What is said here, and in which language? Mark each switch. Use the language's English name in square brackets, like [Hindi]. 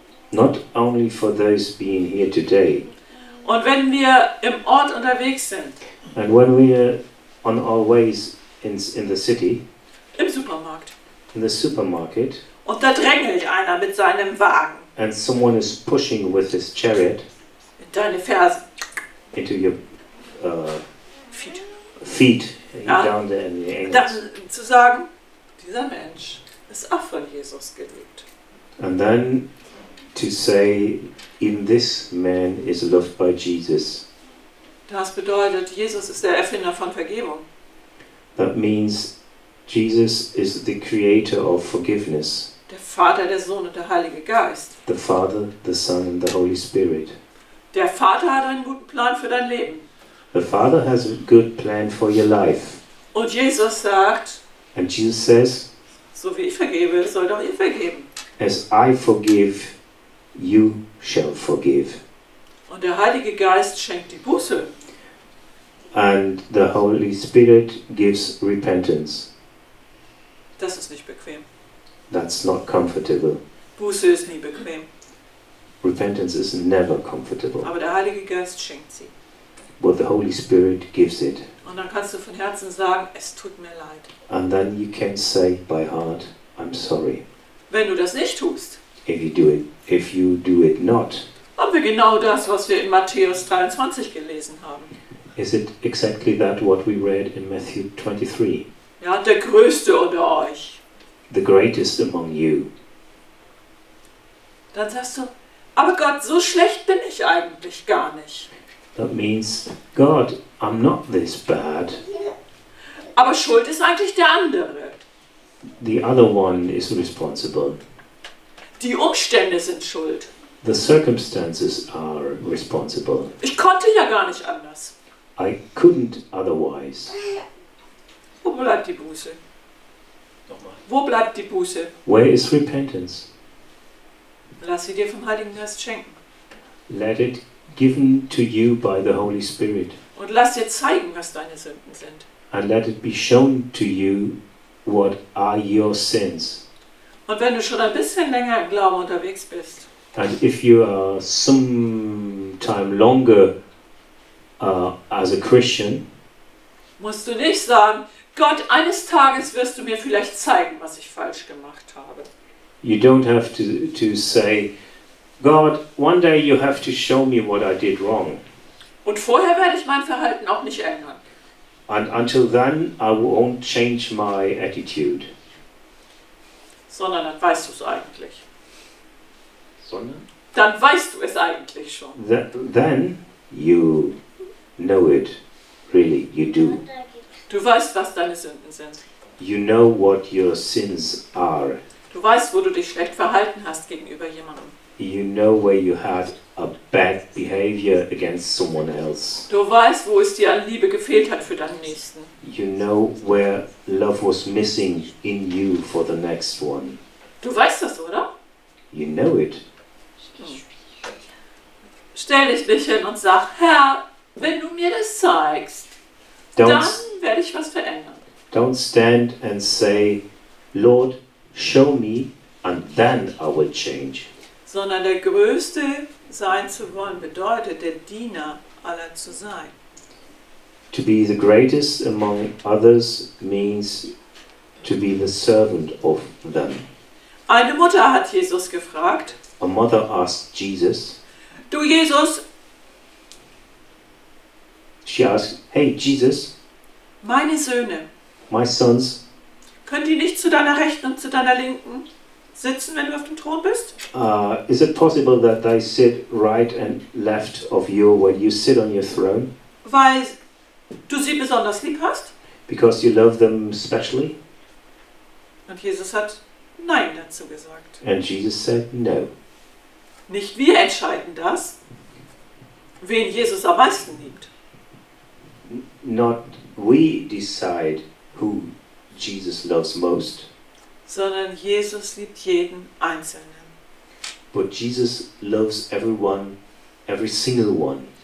[English] Not only for those being here today. [German] Und wenn wir im Ort unterwegs sind. [English] And when we are on our ways in the city. [German] Im Supermarkt. [English] In the supermarket. [German] Und da drängelt einer mit seinem Wagen. [English] And someone is pushing with his chariot. [German] In deine Fersen. [English] Into your feet. [German] Ja. [English] Down there in the ankles. [German] Dann zu sagen, dieser Mensch ist auch von Jesus geliebt. [English] And then to say, even this man is loved by Jesus. [German] Das bedeutet, Jesus ist der Erfinder von Vergebung. [English] That means Jesus is the creator of forgiveness. [German] Der Vater, der Sohn und der Heilige Geist. [English] The Father, the Son and the Holy Spirit. [German] Der Vater hat einen guten Plan für dein Leben. [English] The Father has a good plan for your life. [German] Und Jesus sagt, [English] and Jesus says, [German] so wie ich vergebe, sollt auch ihr vergeben. [English] As I forgive, you shall forgive. [German] Und der Heilige Geist schenkt die Buße. [English] And the Holy Spirit gives repentance. [German] Das ist nicht bequem. [English] That's not comfortable. [German] Buße ist nie bequem. [English] Repentance is never comfortable. [German] Aber der Heilige Geist schenkt sie. [English] But the Holy Spirit gives it. [German] Und dann kannst du von Herzen sagen, es tut mir leid. [English] And then you can say by heart, I'm sorry. [German] Wenn du das nicht tust. [English] If you do it not. [German] Haben wir genau das, was wir in Matthäus 23 gelesen haben. [English] Is it exactly that what we read in Matthew 23? [German] Ja, der Größte unter euch. [English] The greatest among you. [German] Dann sagst du, aber Gott, so schlecht bin ich eigentlich gar nicht. [English] That means, God, I'm not this bad. [German] Aber Schuld ist eigentlich der andere. [English] The other one is responsible. [German] Die Umstände sind schuld. [English] The circumstances are responsible. [German] Ich konnte ja gar nicht anders. [English] I couldn't otherwise. [German] Wo bleibt die Buße? Nochmal. Wo bleibt die Buße? [English] Where is repentance? [German] Lass sie dir vom Heiligen Geist schenken. [English] Let it given to you by the Holy Spirit. [German] Und lass dir zeigen, was deine Sünden sind. [English] And let it be shown to you what are your sins. [German] Und wenn du schon ein bisschen länger im Glauben unterwegs bist. [English] And if you are some time longer as a Christian, [German] musst du nicht sagen, Gott, eines Tages wirst du mir vielleicht zeigen, was ich falsch gemacht habe. [English] You don't have to say, God, one day you have to show me what I did wrong. [German] Und vorher werde ich mein Verhalten auch nicht ändern. [English] And until then, I won't change my attitude. [German] Sondern dann weißt du es eigentlich. Sondern? Dann weißt du es eigentlich schon. [English] Then you know it, really, you do. [German] Du weißt, was deine Sünden sind. [English] You know what your sins are. [German] Du weißt, wo du dich schlecht verhalten hast gegenüber jemandem. [English] You know where you had a bad behavior against someone else. [German] Du weißt, wo es dir an Liebe gefehlt hat für deinen Nächsten. [English] You know where love was missing in you for the next one. [German] Du weißt das, oder? [English] You know it. [German] Stell dich nicht hin und sag, Herr, wenn du mir das zeigst, dann werde ich was verändern. [English] Don't stand and say, Lord, show me and then I will change. [German] Sondern der Größte sein zu wollen bedeutet, der Diener aller zu sein. [English] To be the greatest among others means to be the servant of them. [German] Eine Mutter hat Jesus gefragt. [English] A mother asked Jesus. [German] Du Jesus. [English] She asked, hey Jesus. [German] Meine Söhne. [English] My sons. [German] Können die nicht zu deiner Rechten und zu deiner Linken sitzen, wenn du auf dem Thron bist? [English] Is it possible that they sit right and left of you when you sit on your throne? [German] Weil du sie besonders lieb hast? [English] Because you love them specially? [German] Und Jesus hat nein dazu gesagt. [English] And Jesus said no. [German] Nicht wir entscheiden das, wen Jesus am meisten liebt. [English] Not we decide who Jesus loves most. [German] Sondern Jesus liebt jeden Einzelnen. [English] But Jesus loves everyone, every single one.